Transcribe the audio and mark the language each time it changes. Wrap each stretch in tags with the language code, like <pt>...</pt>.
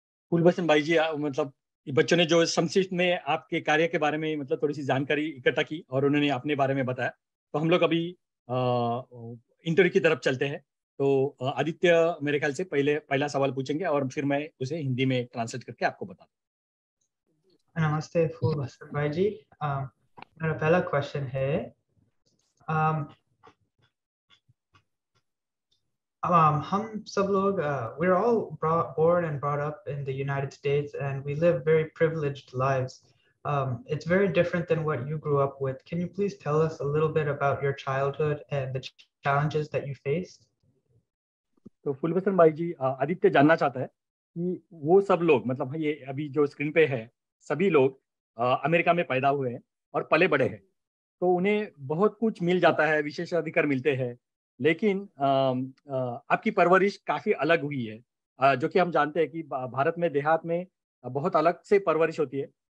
<hi>कुलभूषण भाई जी, मतलब बच्चों ने जो संक्षिप्त में आपके कार्य के बारे में मतलब थोड़ी सी जानकारी इकट्ठा की और उन्होंने अपने बारे में बताया, तो हम लोग अभी इंटरव्यू की तरफ चलते हैं। तो आदित्य मेरे ख्याल से पहले पहला सवाल पूछेंगे और फिर मैं उसे हिंदी में ट्रांसलेट करके आपको बताऊंगा। नमस्ते फूलभूषण भाई जी, मेरा पहला क्वेश्चन है, हम सब लोग,</hi> <en>we're all born and brought up in the United States and we live very privileged lives. It's very different than what you grew up with. Can you please tell us a little bit about your childhood and the challenges that you faced?</en> <hi>तो फुलभूषण भाई जी, आदित्य जानना चाहता है कि वो सब लोग, मतलब ये अभी जो स्क्रीन पे है, सभी लोग अमेरिका में पैदा हुए हैं और पले बड़े हैं, तो उन्हें बहुत कुछ मिल जाता है, विशेष अधिकार मिलते हैं, लेकिन आपकी परवरिश काफ़ी अलग हुई है, जो कि हम जानते हैं कि भारत में देहात में बहुत अलग से परवरिश होती है।</hi>